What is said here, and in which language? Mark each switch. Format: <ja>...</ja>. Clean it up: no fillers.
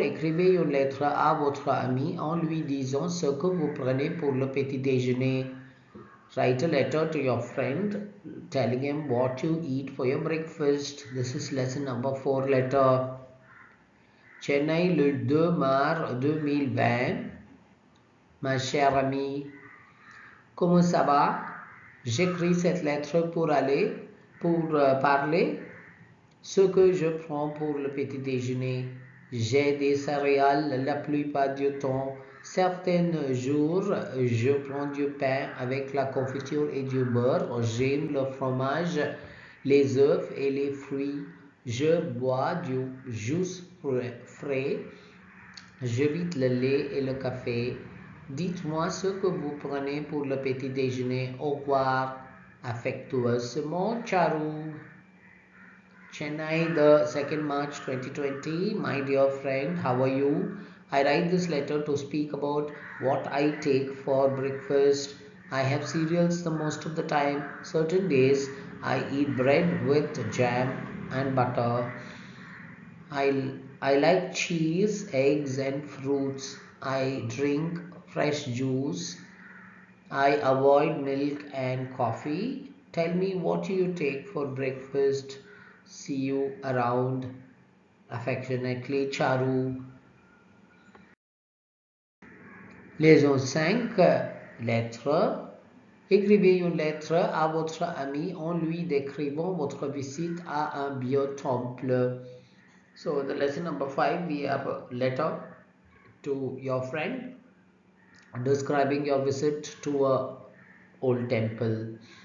<fr>Écrivez une lettre à votre ami en lui disant ce que vous prenez pour le petit déjeuner.</fr> <en>Write a letter to your friend telling him what you eat for your breakfast. This is lesson number 4 letter. Chennai</en> <fr>le 2 mars 2020. Ma chère amie, comment ça va? J'écris cette lettre pour parler. Ce que je prends pour le petit déjeuner. J'ai des céréales la plupart du temps. Certains jours, je prends du pain avec la confiture et du beurre. J'aime le fromage, les œufs et les fruits. Je bois du jus frais. J'évite le lait et le café. Dites-moi ce que vous prenez pour le petit déjeuner. Au revoir. Affectueusement, Charu.</fr> <en>Chennai, the 2nd March 2020. My dear friend, how are you? I write this letter to speak about what I take for breakfast. I have cereals the most of the time. Certain days, I eat bread with jam and butter. I like cheese, eggs and fruits. I drink fresh juice. I avoid milk and coffee. Tell me what you take for breakfast. See you around. Affectionately, Charu.</en> <fr>Lesons 5, lettre. Écrivez une lettre à votre ami en lui décrivant votre visite à un biotemple.</fr> <en>So, the lesson number 5, we have a letter to your friend describing your visit to a old temple.</en>